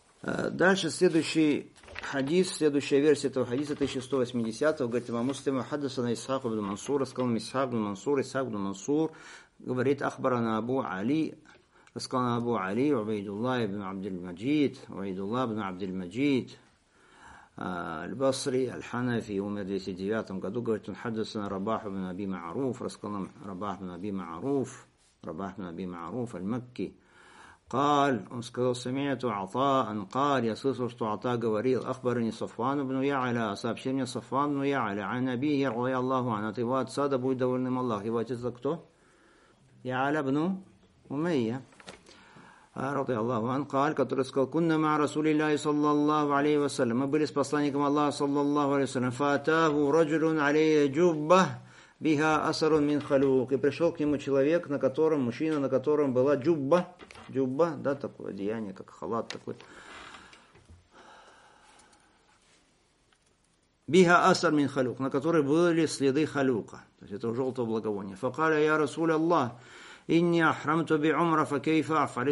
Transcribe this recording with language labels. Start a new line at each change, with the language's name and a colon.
Russian: Дальше следующий хадис, следующая версия этого хадиса 1180-го, говорит,
Arabic: «Ва муслима хадасана
Russian: Исхак ибн Мансур, рассказал нам Исхак ибн Мансур, Исхак ибн Мансур, говорит,
Arabic: ахбарана
Russian: Абу Али, рассказал нам Абу Али, Убайдуллах ибн Абдель-Маджид, Убайдуллах ибн Абдель-Маджид, Аль-Басри, Аль-Ханафи, умер в 209 году, говорит, он
Arabic: хадасана
Russian: Рабах ибн Аби Ма'руф, рассказал нам Рабах ибн Аби Ма'руф, Рабах ибн Аби Ма'руф, Аль-Макки».
Arabic: قال أمسكوا سمعت عطاء قال يسوس
Russian: что
Arabic: عطاء
Russian: говорил
Arabic: أخبرني صفوان بن يعلى
Russian: сообщил мне
Arabic: صفوان بن يعلى عن نبيه رضي الله عنه
Russian: от его отца да будет довольным Аллах. Его отец кто?
Arabic: يعلى بن أمية رضي الله عنه قال
Russian: который сказал
Arabic: كنا مع رسول الله صلى الله عليه وسلم
Russian: мы были с посланником Аллаха
Arabic: صلى الله عليه وسلم فأتاه رجل عليه جبة بها أثر من خلوق
Russian: и пришел к нему человек на котором мужчина на котором была джубба. Джубба, да, такое одеяние, как халат такой.
Arabic: Биха асар мин халюк,
Russian: на которой были следы халюка. То есть это желтого благовония.
Arabic: Факаля я Расуль Аллах, инни ахрамту би умра, факейфа афали.